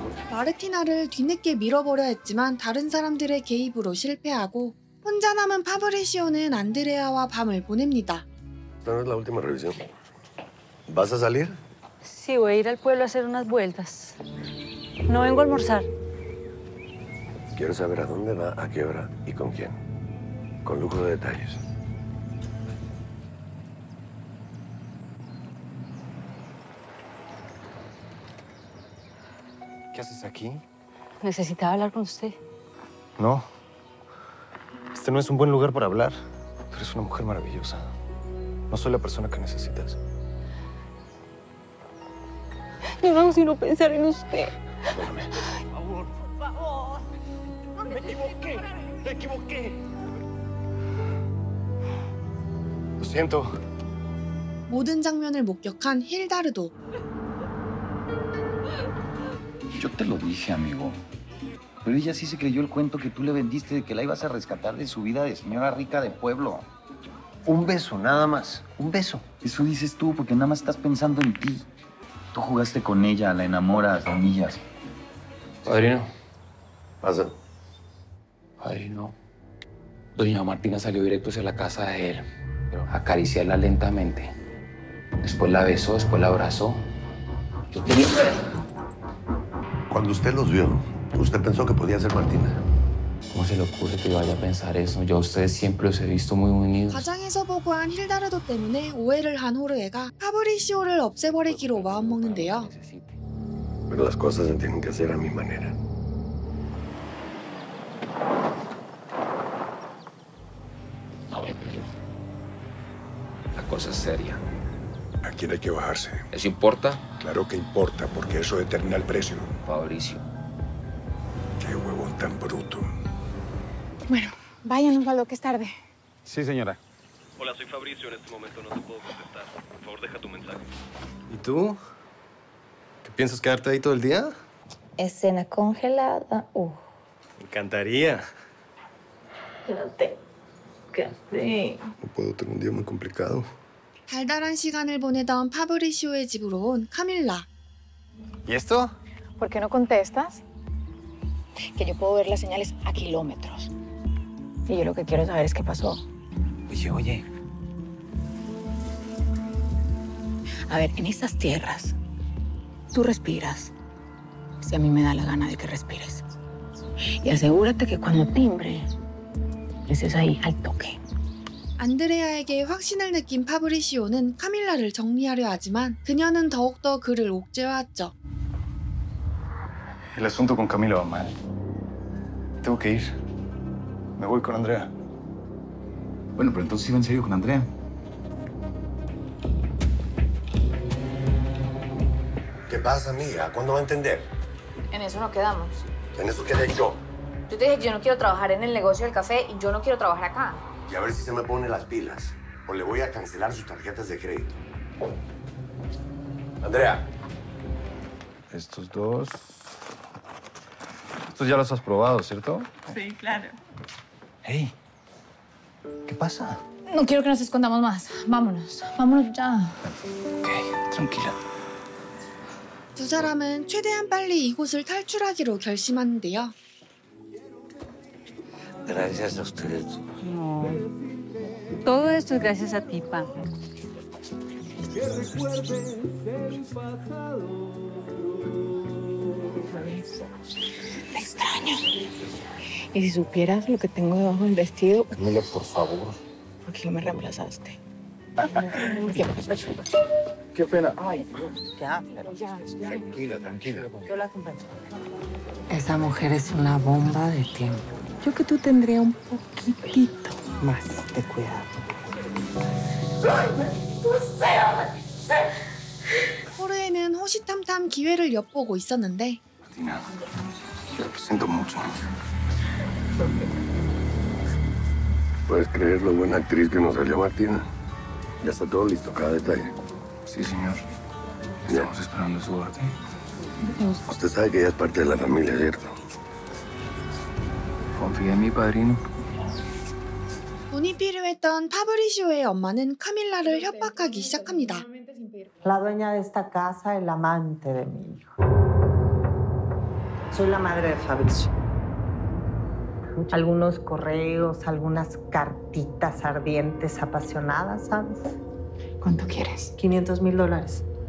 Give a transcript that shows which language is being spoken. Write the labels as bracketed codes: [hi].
[ko] 마르티나를 뒤늦게 밀어버려 했지만 다른 사람들의 개입으로 실패하고 혼자 남은 파브리시오는 안드레아와 밤을 보냅니다. [es] Esta es la última revisión. ¿Vas a salir? Sí, voy a ir al pueblo a hacer unas vueltas. No vengo a almorzar. Quiero saber a dónde va, a qué hora y con quién. Con lujo de detalles. ¿Qué haces aquí? Necesitaba hablar con usted. No. Este no es un buen lugar para hablar. Tú eres una mujer maravillosa. No soy la persona que necesitas. Yo no sino pensar en usted. Perdóname. Por favor. Me equivoqué. Lo siento. [ko] 모든 장면을 목격한 힐다르도. [es] Yo te lo dije, amigo. Pero ella sí se creyó el cuento que tú le vendiste de que la ibas a rescatar de su vida de señora rica de pueblo. Un beso, nada más. Un beso. Eso dices tú porque nada más estás pensando en ti. Tú jugaste con ella, la enamoras, la humillas. Padrino. Pasa. Padrino. Doña Martina salió directo hacia la casa de él. Pero acariciarla lentamente. Después la besó, después la abrazó. Yo te dije... Cuando usted los vio, ¿usted pensó que podía ser Martina? ¿Cómo se le ocurre que vaya a pensar eso? Yo a ustedes siempre los he visto muy unidos. [ko] 가장에서 보고한 힐다르도 때문에 오해를 한 호르에가 파브리시오를 없애버리기로 마음먹는데요. [es] Pero las cosas se tienen que hacer a mi manera. La cosa es seria. ¿A quién hay que bajarse? ¿Eso importa? Claro que importa, porque eso determina el precio. Fabricio. Qué huevón tan bruto. Bueno, váyanos, Valdo, que es tarde. Sí, señora. Hola, soy Fabricio. En este momento no te puedo contestar. Por favor, deja tu mensaje. ¿Y tú? ¿Qué piensas, quedarte ahí todo el día? Escena congelada. Me encantaría. Quédate. No puedo tener un día muy complicado. [ko] 달달한 시간을 보내던 파브리시오의 집으로 온 카밀라. [es] ¿Y esto? ¿Por qué no contestas? Que yo puedo ver las señales a kilómetros. Y yo lo que quiero saber es qué pasó. Oye. A ver, en estas tierras, tú respiras. Si a mí me da la gana de que respires. Y asegúrate que cuando timbre, estés ahí al toque. [ko] 안드레아에게 확신을 느낀 파브리시오는 카밀라를 정리하려 하지만 그녀는 더욱더 그를 옥죄어왔죠. [es] El asunto con Camila va mal. Tengo que ir. Me voy con Andrea. Bueno, pero entonces iba en serio con Andrea. ¿Qué pasa, amiga? ¿Cuándo va a entender? En eso no quedamos. ¿En eso quedé yo? Yo te dije que yo no quiero trabajar en el negocio del café y yo no quiero trabajar acá. Y a ver si se me pone las pilas. O le voy a cancelar sus tarjetas de crédito. Andrea. Estos dos. Estos ya los has probado, ¿cierto? Sí, claro. Hey. ¿Qué pasa? No quiero que nos escondamos más. Vámonos. Vámonos ya. Ok, tranquila. [ko] 두 사람은 최대한 빨리 이곳을 탈출하기로 결심하는데요. [es] Gracias a ustedes. No. Todo esto es gracias a ti, pa. Me extraño. Y si supieras lo que tengo debajo del vestido... Camila, por favor. ¿Por qué no me reemplazaste? Qué pena. Ay, Dios. Ya, pero... Tranquila. Esa mujer es una bomba de tiempo. Yo que tú tendría un poquitito más de cuidado. [ko] Jorge는 호시탐탐 기회를 엿보고 있었는데. [es] Martina, lo siento mucho. ¿Puedes creer lo buena actriz que nos salió Martina? Ya está todo listo, cada detalle. Sí, señor. Estamos esperando su orden. Usted sabe que ella es parte de la familia, ¿cierto? Confía en mi padrino. [ko] 돈이 필요했던 파브리쇼의 엄마는 카밀라를 협박하기 시작합니다. [es] La dueña de esta casa es la amante de mi hijo. Soy la madre de Fabrizio. Algunos correos, algunas cartitas ardientes, apasionadas, ¿sabes? ¿Cuánto quieres? $500,000.